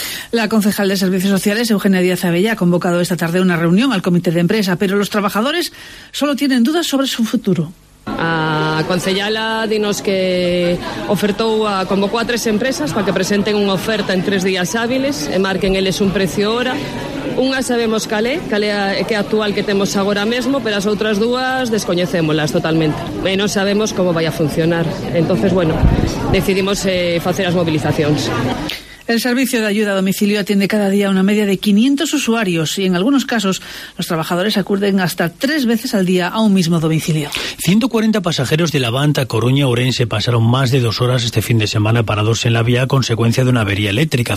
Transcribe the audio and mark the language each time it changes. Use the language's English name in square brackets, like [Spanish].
[Spanish] La concejal de Servicios Sociales, Eugenia Díaz Abella, ha convocado esta tarde una reunión al comité de empresa, pero los trabajadores solo tienen dudas sobre su futuro. [Galician] A concellala dinos que ofertou a convocou a 3 empresas para que presenten unha oferta en 3 días hábiles e marquen eles un precio hora. Unha sabemos cal é que actual que temos agora mesmo, pero as outras dúas descoñecémolas totalmente. E non sabemos como vai a funcionar. Entonces, bueno, decidimos facer as movilizacións. [Spanish] El servicio de ayuda a domicilio atiende cada día una media de 500 usuarios y en algunos casos los trabajadores acuden hasta 3 veces al día a un mismo domicilio. 140 pasajeros de Levante, Coruña, Orense pasaron más de 2 horas este fin de semana parados en la vía a consecuencia de una avería eléctrica.